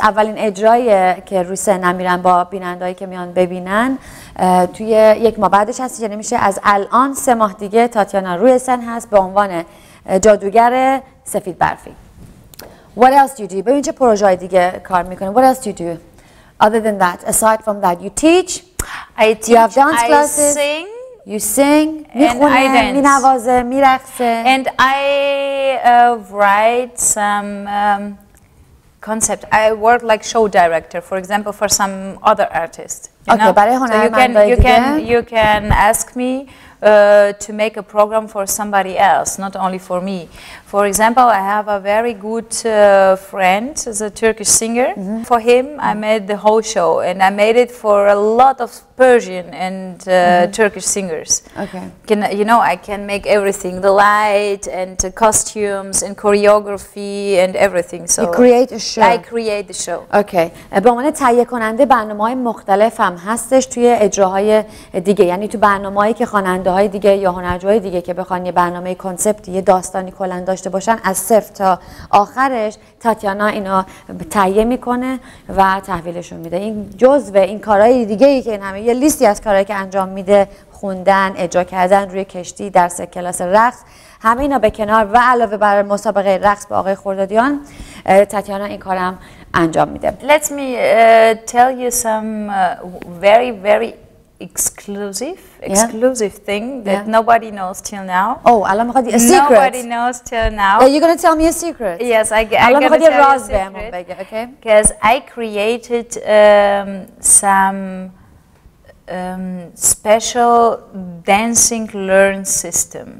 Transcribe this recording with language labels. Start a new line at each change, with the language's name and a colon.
Persian: اولین اجرایی که روسن میرن با بینندایی که میان ببینن توی یک ماه بعدش هست یعنی میشه از الان سه ماه دیگه تاتیانا روی سن هست به عنوان جادوگر سفید برفی.
English: What else do you do?
Persian: ببین چه پروژه‌ای دیگه کار می‌کنی.
English: What else do you do? Other than that, aside from that, you teach. I teach. You have dance I classes. Sing. You sing.
Persian: می‌خونه. می‌نوازه. می‌رقصه.
English: And I write some concept. I work like show director, for example, for some other artist.
Persian: Okay. برای هنرمندای دیگه.
English: You can ask me. To make a program for somebody else, not only for me. For example, I have a very good friend, a Turkish singer. Mm-hmm. For him, I made the whole show, and I made it for a lot of Persian and Turkish singers. Okay. I can make everything, the light and the costumes and choreography and everything. So you create a show. I create the show. Okay.
Persian: به عنوان تهیه کننده برنامه‌های مختلف هم هستش توی اجراهای دیگه. یعنی تو برنامه‌هایی که خواننده‌های دیگه یا هنرجوهای دیگه که بخوان یه برنامه کنسپتی یه داستانی کلاً داشته باشن از صفر تا آخرش تاتیانا اینا تهیه میکنه و تحویلشون میده این جزء این کارهای دیگه ای که این همه یه لیستی از کارهایی که انجام میده خوندن اجرا کردن روی کشتی درس کلاس رقص همه اینا به کنار و علاوه بر مسابقه رقص با آقای خردادیان تاتیانا این کارم انجام میده
English: Let me tell you some very very exclusive yeah. thing that yeah. nobody knows till now. Oh, Alam Khadi, a secret. Nobody knows till now. Are you going to tell me a secret? Yes, I'm going to tell you a secret. Because I created some special dancing learn system.